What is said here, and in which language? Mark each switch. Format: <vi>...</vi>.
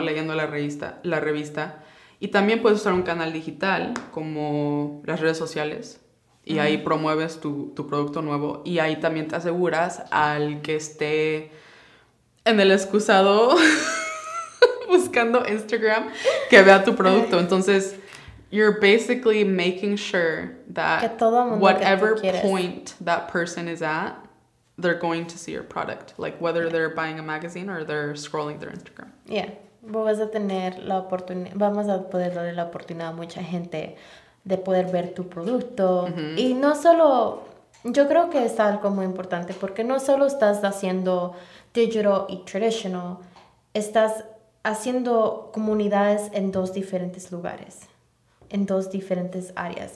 <es>Leyendo la revista. Y también puedes usar un canal digital como las redes sociales. Y ahí promueves tu producto nuevo. Y ahí también te aseguras al que esté en el excusado buscando Instagram que vea tu producto. Entonces...</es> <en>You're basically making sure that whatever point that person is at, they're going to see your product. Like whether they're buying a magazine or they're scrolling their Instagram. Yeah.</en> <es>Vamos a poder darle la oportunidad a mucha gente de poder ver tu producto. Y no solo Yo creo que es algo muy importante porque no solo estás haciendo digital y traditional, estás haciendo comunidades en dos diferentes lugares, en dos diferentes áreas.</es>